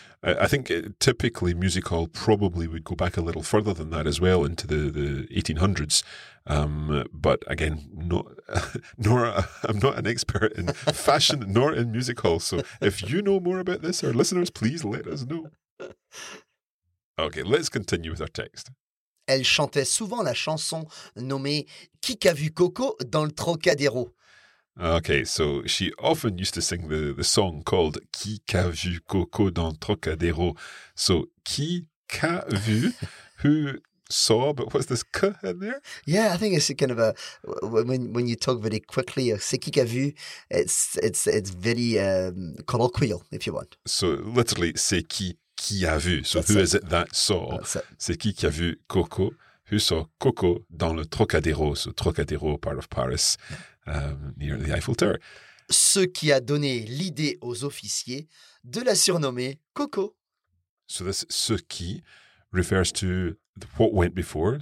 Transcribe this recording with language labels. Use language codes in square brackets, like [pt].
[en] I think typically music hall probably would go back a little further than that as well into the 1800s. But again, I'm not an expert in fashion nor in music hall. So if you know more about this, our listeners, please let us know. Okay, let's continue with our text. [fr] Elle chantait souvent la chanson nommée Qui qu'a vu Coco dans le Trocadéro? [en] Okay, so she often used to sing the song called [fr] Qui qu'a vu Coco dans le Trocadéro? [en] So, [fr] qui qu'a vu, [en] who saw, but what's this k in there? Yeah, I think it's a kind of a, when you talk very quickly, [fr] c'est qui qu'a vu, [en] it's very colloquial, if you want. So, literally, [fr] c'est qui a vu, so [en] that's who it. Is it that saw? [fr] C'est qui a vu Coco, [en] who saw Coco [fr] dans le Trocadéro, [en] so Trocadéro, part of Paris. Near the Eiffel Tower. [fr] Ce qui a donné l'idée aux officiers de la surnommer Coco. [en] So this [fr] ce qui [en] refers to what went before.